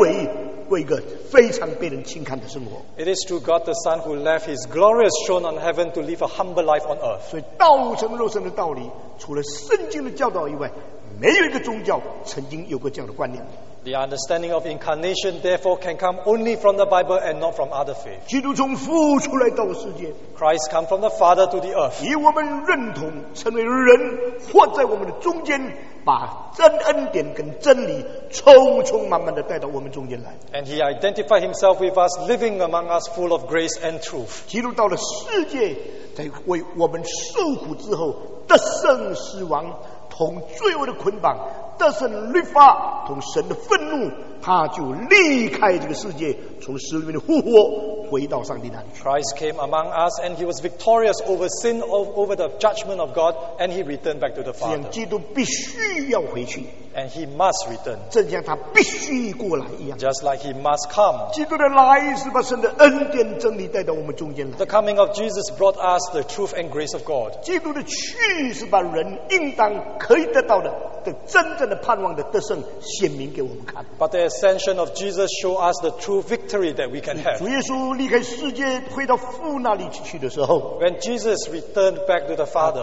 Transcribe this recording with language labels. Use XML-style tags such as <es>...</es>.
<zh>借着圣子离开天上尊贵荣耀的地位来到人间过一个卑微过一个非常被人轻看的生活。</zh> <en>It is through God the Son who left his glorious throne on heaven to live a humble life on earth.</en> <zh>所以道成肉身的道理除了圣经的教导以外没有一个宗教曾经有过这样的观念。</zh> <en>The understanding of incarnation therefore can come only from the Bible and not from other faith.</en> <zh>基督从父出来到世界,</zh> <en>Christ come from the Father to the earth.</en> <zh>以我们认同成为人活在我们的中间, 把真恩典跟真理充满的带到我们中间来。</zh> <en>And he identified himself with us, living among us full of grace and truth.</en> <zh>基督到了世界, 在为我们受苦之后, 得胜死亡, 同罪恶的捆绑, 得胜律法, 同神的愤怒, 他就离开这个世界, 从死里面的复活, 回到上帝那里。</zh> <en>Christ came among us and he was victorious over sin, over the judgment of God, and he returned back to the Father.</en> <zh>这样基督必须要回去,</zh> <en>and he must return.</en> <zh>正像他必须过来一样,</zh> <en>just like he must come.</en> <zh>基督的来是把神的恩典真理带到我们中间来。</zh> <en>The coming of Jesus brought us the truth and grace of God.</en> <zh>基督的去是把人应当可以得到的, 真正的盼望的得胜显明给我们看。</zh> <en>But the ascension of Jesus show us the true victory that we can have.</en> <zh>主耶稣离开世界回到父那里去的时候,</zh> <en>when Jesus returned back to the Father,</en>